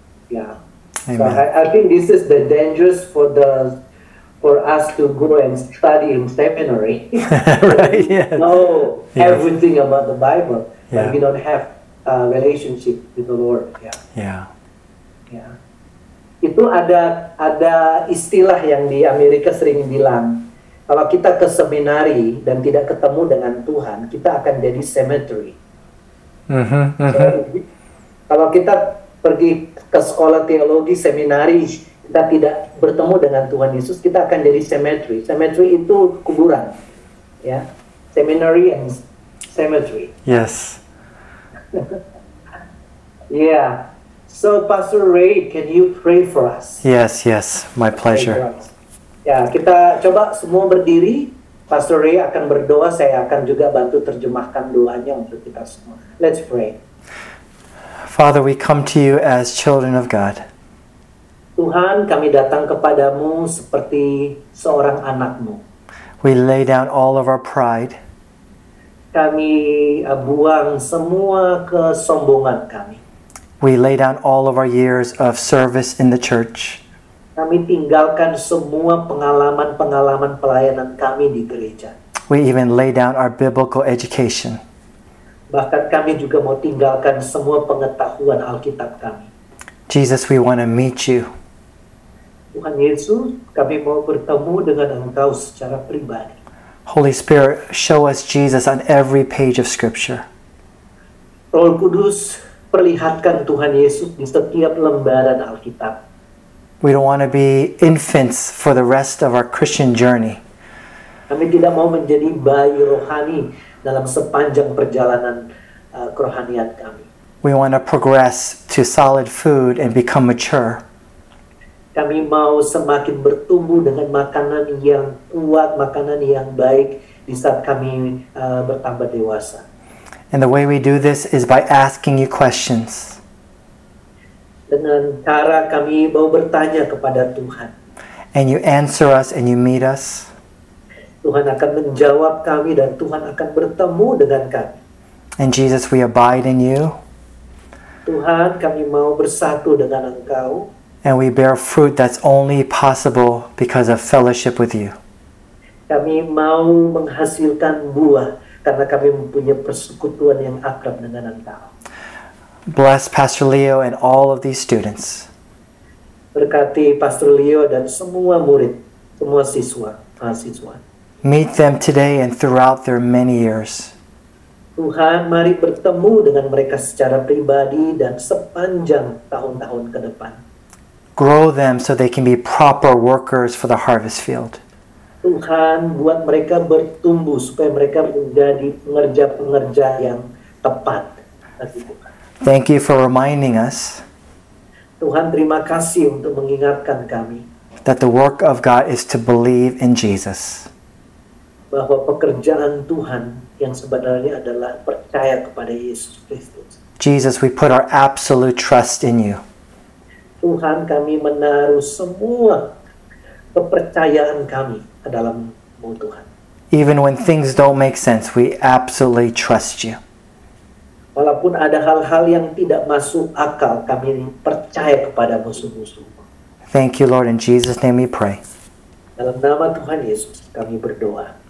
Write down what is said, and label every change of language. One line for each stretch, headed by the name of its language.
English: Yeah. Amen. So I think this is the dangerous for us to go and study in seminary. Right, yes. Know everything about the Bible, yeah. But we don't have a relationship with the Lord. Yeah. Yeah. Yeah.
Indonesian: Itu ada istilah yang di Amerika sering bilang, kalau kita ke seminari dan tidak ketemu dengan Tuhan, kita akan jadi cemetery.
English: So,
Indonesian: kalau kita pergi ke sekolah teologi, seminari, kita tidak bertemu dengan Tuhan Yesus, kita akan jadi cemetery. Cemetery itu kuburan. Ya.
English: Seminary and cemetery. Yes. Yeah. So Pastor Ray, can you pray for us? Yes, yes. My pleasure.
Indonesian: Ya, kita coba semua berdiri. Pastor Ray akan berdoa, saya akan juga bantu terjemahkan doanya untuk kita semua.
English: Let's pray. Father, we come to you as children of God.
Indonesian: Tuhan, kami datang kepadamu seperti seorang anakmu.
English: We lay down all of our pride.
Indonesian: Kami buang semua kesombongan kami.
English: We lay down all of our years of service in the church.
Indonesian: Kami tinggalkan semua pengalaman-pengalaman pelayanan kami di gereja.
English: We even lay down our biblical education.
Indonesian: Bahkan kami juga mau tinggalkan semua pengetahuan Alkitab kami.
English: Jesus, we want to meet you.
Indonesian: Tuhan Yesus, kami mau bertemu dengan Engkau secara pribadi.
English: Holy Spirit, show us Jesus on every page of Scripture.
Indonesian: Roh Kudus, perlihatkan Tuhan Yesus di setiap lembaran Alkitab.
English: We don't want to be infants for the rest of our Christian journey.
Indonesian: Kami tidak mau menjadi bayi rohani dalam sepanjang perjalanan kerohanian kami.
English: We want to progress to solid food and become mature.
Indonesian: Kami mau semakin bertumbuh dengan makanan yang kuat, makanan yang baik di saat kami bertambah dewasa.
English: And the way we do this is by asking you questions.
Indonesian: Dengan cara kami mau bertanya kepada Tuhan.
English: And you answer us and you meet us.
Indonesian: Tuhan akan menjawab kami dan Tuhan akan bertemu dengan kami.
English: And Jesus, we abide in you.
Indonesian: Tuhan, kami mau bersatu dengan Engkau.
English: And we bear fruit that's only possible because of fellowship with you.
Indonesian: Kami mau menghasilkan buah karena kami mempunyai persekutuan yang akrab dengan Engkau.
English: Bless Pastor Leo and all of these students.
Indonesian: Berkati Pastor Leo dan semua murid, semua siswa, mahasiswa.
English: Meet them today and throughout their many years.
Indonesian: Tuhan, mari bertemu dengan mereka secara pribadi dan sepanjang tahun-tahun ke depan.
English: Grow them so they can be proper workers for the harvest field.
Indonesian: Tuhan, buat mereka bertumbuh supaya mereka menjadi pengerja-pengerja yang tepat.
English: Thank you for reminding us.
Indonesian: Tuhan, terima kasih untuk mengingatkan kami.
English: That the work of God is to believe in Jesus.
Indonesian: Bahwa pekerjaan Tuhan yang sebenarnya adalah percaya kepada Yesus Kristus.
English: Jesus, we put our absolute trust in you.
Indonesian: Tuhan, kami menaruh semua kepercayaan kami ke dalam-Mu, Tuhan.
English: Even when things don't make sense, we absolutely trust you.
Indonesian: Walaupun ada hal-hal yang tidak masuk akal, kami percaya kepada musuh-musuh.
English: Thank you, Lord. In Jesus' name we pray.
Indonesian: Dalam nama Tuhan Yesus, kami berdoa.